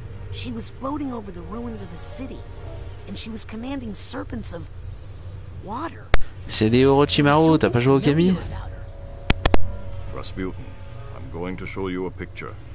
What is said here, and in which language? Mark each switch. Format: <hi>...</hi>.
<en>She was floating over the ruins of a city, and she was commanding serpents of water.</en> <fr>C'est des Orochimaru, t'as pas joué au Kami?</fr> <en>Rasputin, I'm going to show you a picture.</en>